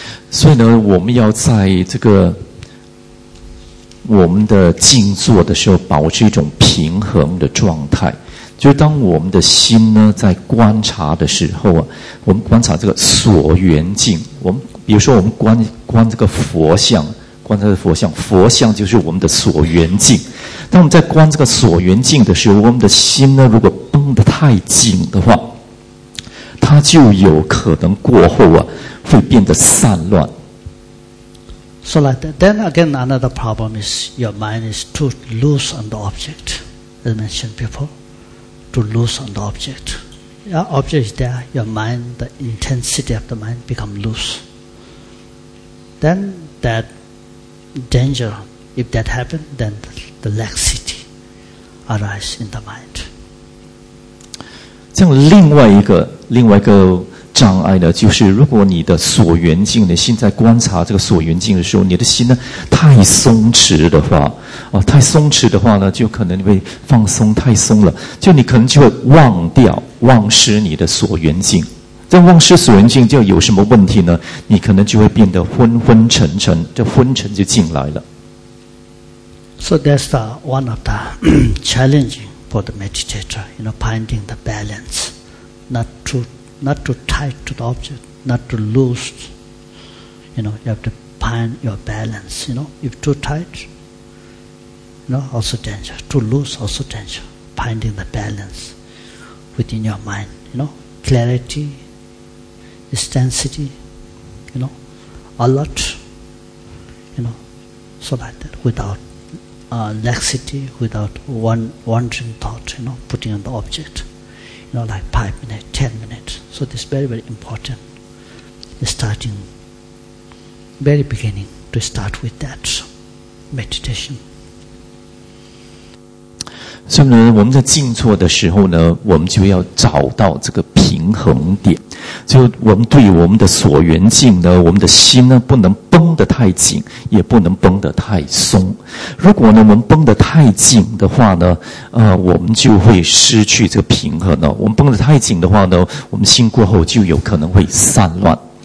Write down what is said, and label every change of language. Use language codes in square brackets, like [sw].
[zh] 所以呢，我们要在这个我们的静坐的时候保持一种平衡的状态，就当我们的心呢在观察的时候啊，我们观察这个所缘境，我们比如说我们观这个佛像，观察佛像，佛像就是我们的所缘境，当我们在观这个所缘境的时候，我们的心呢如果绷得太紧的话，它就有可能过后啊会变得散乱。 [en] So like that. Then again, another problem is your mind is too loose on the object. As mentioned before, too loose on the object. Yeah, object is there. Your mind, the intensity of the mind become loose. Then that danger, if that happens, then the laxity arises in the mind. [zh] 这样另外一个障碍呢，就是如果你的所缘境，你现在观察这个所缘境的时候，你的心呢太松弛的话，太松弛的话呢，就可能会放松太松了，就你可能就会忘失你的所缘境。在忘失所缘境，就有什么问题呢？你可能就会变得昏昏沉沉，这昏沉就进来了。 [en] So that's the one of the challenging for the meditator, you know, finding the balance, not too tight to the object, not too loose. You know, you have to find your balance, you know. If too tight, you know, also danger. Too loose, also danger. Finding the balance within your mind, you know. Clarity, intensity, you know, alert, you know, so like that. Without laxity, without wandering thought, you know, putting on the object. You know, like 5 minutes, 10 minutes. So this is very, very important. Starting, very beginning to start with that meditation. [zh] 所以呢，我们在静坐的时候呢，我们就要找到这个平衡点。就我们对我们的所缘境呢，我们的心呢，不能绷得太紧，也不能绷得太松。如果呢，我们绷得太紧的话呢，我们就会失去这个平衡了。我们绷得太紧的话呢，我们心过后就有可能会散乱。